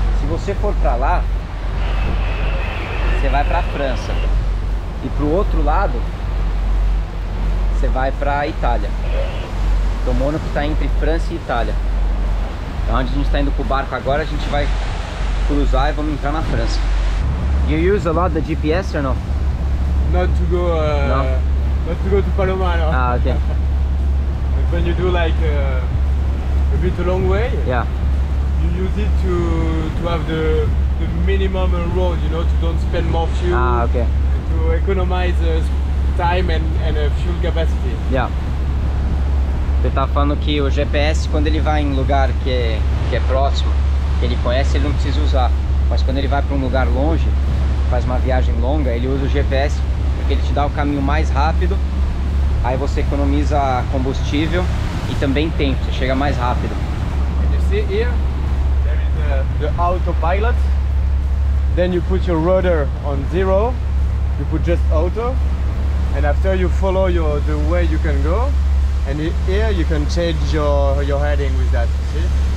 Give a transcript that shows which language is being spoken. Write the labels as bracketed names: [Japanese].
[Portuguese] Se você for pra lá, você vai pra França. E pro outro lado, você vai pra Itália. Então Mônaco tá entre França e Itália. Então onde a gente tá indo pro barco agora, a gente vai cruzar e vamos entrar na França. [English] You use a lot the GPS or no? Not to go not to go to Paloma, no. Ah, okay. But when you do like a bit long way, yeah. You use it to have the minimum road, you know, to don't spend more fuel. Ah, okay. To economize time and fuel capacity. Yeah. [Portuguese] Você tá falando que o GPS, quando ele vai em lugar que é próximo, que ele conhece, ele não precisa usar. Mas quando ele vai para um lugar longe, faz uma viagem longa, ele usa o GPS, porque ele te dá o caminho mais rápido, aí você economiza combustível e também tempo, você chega mais rápido. [English] And you see here, there is the autopilot. Then you put your rudder on zero, you put just auto, and after you follow the way you can go. And here you can change your heading with that, see?